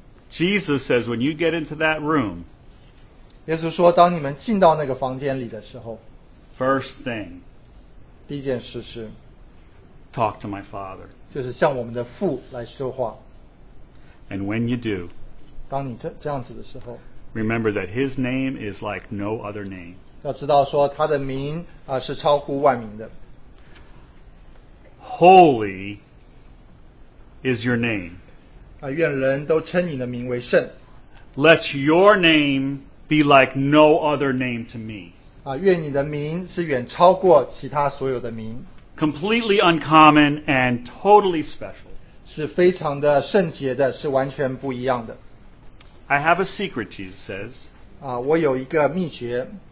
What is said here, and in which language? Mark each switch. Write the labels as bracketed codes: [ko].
[en] Jesus says, when you get into that room, [zh] 耶稣说当你们进到那个房间里的时候, [en] first thing, [zh] 第一件事是, [en] talk to my Father. [zh] 就是向我们的父来说话。 [en] And when you do, [zh] 当你这样子的时候, [en] remember that His name is like no other name. [zh] 要知道说他的名, 是超乎万名的。 [en] Holy is your name. [zh] 愿人都称你的名为圣。 [en] Let your name be like no other name to me. [zh] 愿你的名是远超过其他所有的名。 [en] Completely uncommon and totally special. [zh] 是非常的圣洁的，是完全不一样的。 [en] I have a secret, Jesus says. [zh] 我有一个秘诀。